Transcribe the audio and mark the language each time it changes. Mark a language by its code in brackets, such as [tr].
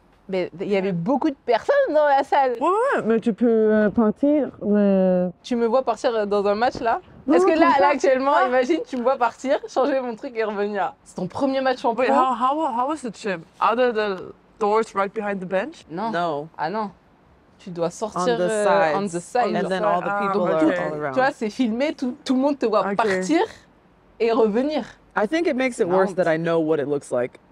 [fr] Mais il y avait beaucoup de personnes dans la salle. Ouais, mais tu peux partir. Tu me vois partir dans un match là? Est-ce que là, actuellement, imagine, tu me vois partir, changer mon truc et revenir. C'est ton premier match en pro. [en] Wait, how was the gym? Out of the doors right behind the bench? [fr] Non. No. Ah non. Tu dois sortir [en] on the side. And then all the people are all around. [fr] Tu vois, c'est filmé, tout le monde te voit partir et revenir. [en] I think it makes it worse that I know what it looks like.